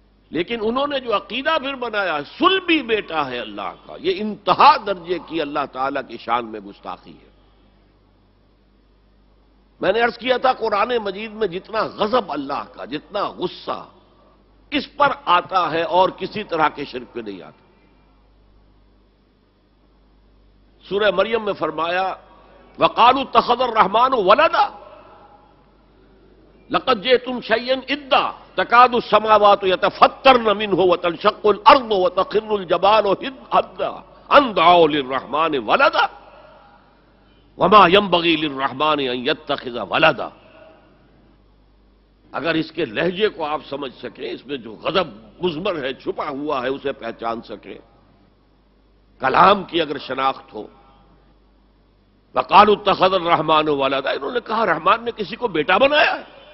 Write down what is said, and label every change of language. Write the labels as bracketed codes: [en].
[ur] لیکن انہوں نے جو عقیدہ پھر بنایا ہے صلبی بیٹا ہے اللہ کا، یہ انتہا درجے کی اللہ تعالیٰ کی شان میں گستاخی ہے. میں نے عرض کیا تھا قرآن مجید میں جتنا غضب اللہ کا، جتنا غصہ اس پر آتا ہے اور کسی طرح کے شرک پہ نہیں آتا. سورہ مریم میں فرمایا [ar] وقالوا اتخذ الرحمن ولدا لقد جئتم شيئا ادا تكاد السماوات يتفطرن منه وتنشق الارض وتخر الجبال هدا ان دعوا للرحمن ولدا وما ينبغي للرحمن ان يتخذ ولدا. [ur] اگر اس کے لہجے کو آپ سمجھ سکیں، اس میں جو غضب مزمر ہے چھپا ہوا ہے اسے پہچان سکیں، کلام کی اگر شناخت ہو. [ar] وقالوا اتخذ الرحمن ولدا، [ur] انہوں نے کہا رحمان نے کسی کو بیٹا بنایا ہے.